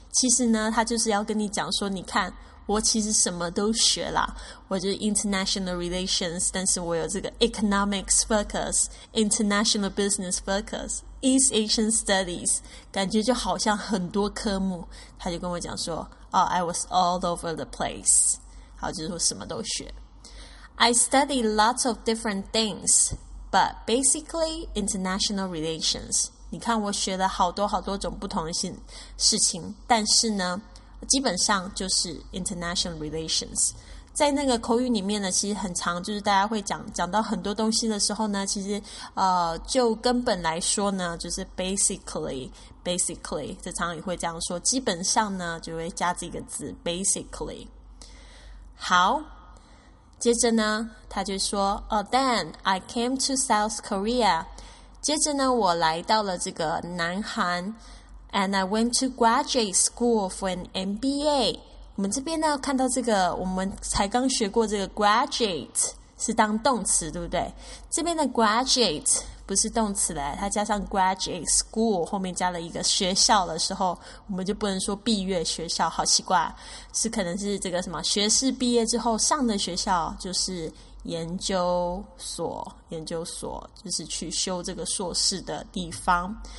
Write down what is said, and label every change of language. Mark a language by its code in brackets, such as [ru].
[zh] 其实呢，他就是要跟你讲说，你看我其实什么都学了，我就是 international relations， 但是我有这个 economics focus， international business focus， East Asian studies， 感觉就好像很多科目。他就跟我讲说 [en] I was all over the place. [zh] 好，就是我什么都学。 [en] I study lots of different things, but basically international relations. [zh] 你看我学了好多好多种不同的事情，但是呢，基本上就是 international relations。在那个口语里面呢，其实很常就是大家会讲到很多东西的时候呢，其实就根本来说呢，就是 basically 这常常也会这样说，基本上呢就会加这个字 basically。好，接着呢他就说 [en] Then I came to South Korea， [zh] 接着呢我来到了这个南韩。 [en] And I went to graduate school for an MBA。 [zh] 我们这边呢看到这个，我们才刚学过这个 graduate 是当动词对不对，这边的 graduate不是动词的，它加上 graduate school 后面加了一个学校的时候，我们就不能说毕业学校，好奇怪，是可能是这个什么学士毕业之后上的学校，就是研究所，就是去修这个硕士的地方。